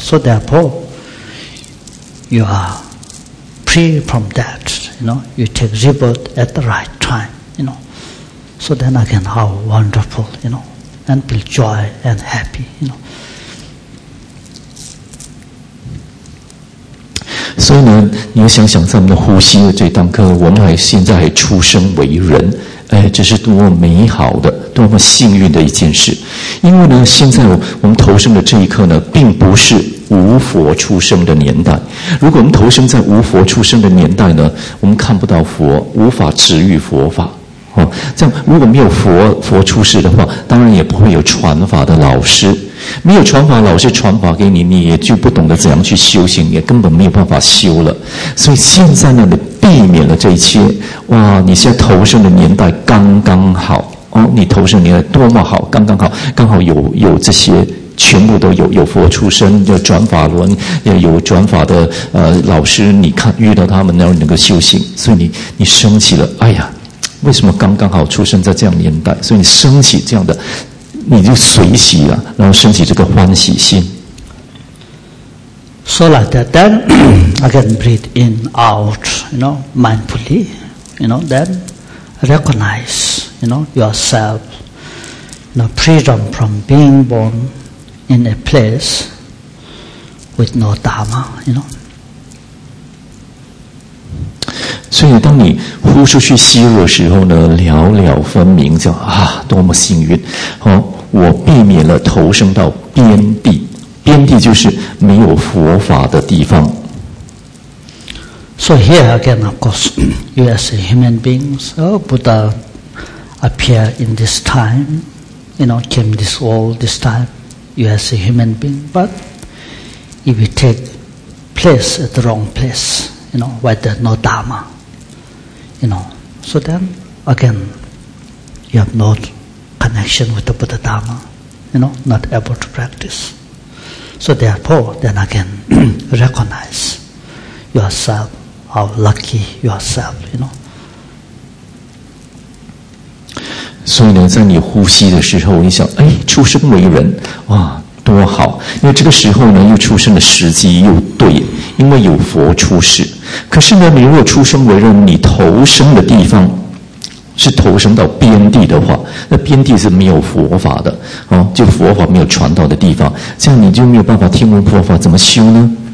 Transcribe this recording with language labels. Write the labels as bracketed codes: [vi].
[en] So therefore, you are free from that, you know, you take rebirth at the right time, you know. So then again, how wonderful, you know, and feel joy and happy, you know. [zh] 所以呢，你要想想在我们的呼吸的这当刻，我们还现在还出生为人，哎，这是多么美好的、多么幸运的一件事。因为呢，现在我们投生的这一刻呢，并不是无佛出生的年代。如果我们投生在无佛出生的年代呢，我们看不到佛，无法止于佛法。哦，这样如果没有佛出世的话，当然也不会有传法的老师，没有传法老师传法给你，你也就不懂得怎样去修行，也根本没有办法修了。所以现在呢，你避免了这一切，哇！你现在投生的年代刚刚好哦，你投生年代多么好，刚刚好，刚好有这些，全部都有佛出生，有转法轮，有转法的老师，你看遇到他们，然后能够修行，所以你升起了，哎呀。为什么刚刚好出生在这样年代，所以你升起这样的，你就随喜啊，然后升起这个欢喜心。 [en] So like that, then I can breathe in, out, you know, mindfully, you know, then recognize, you know, yourself, you know, freedom from being born in a place with no Dharma, you know. [zh] 所以当你呼出去吸入的时候呢，了了分明叫啊，多么幸运，哦，我避免了投生到边地，边地就是没有佛法的地方。 [en] So here again of course you as a human beings, oh, Buddha appear in this time, you know, came this world this time, you as a human being, but if you take place at the wrong place, you know, where there's no Dharma,You know, so then, again, you have no connection with the Buddha Dharma, you know, not able to practice. So therefore, then again, recognize yourself, how lucky yourself, you know. [zh] 所以呢，在你呼吸的时候，你想，哎，出生为人，哇，多好！因为这个时候呢，又出生的时机又对，因为有佛出世。可是呢，你如果出生为人，你投生的地方是投生到边地的话，那边地是没有佛法的啊，就佛法没有传到的地方，这样你就没有办法听闻佛法，怎么修呢？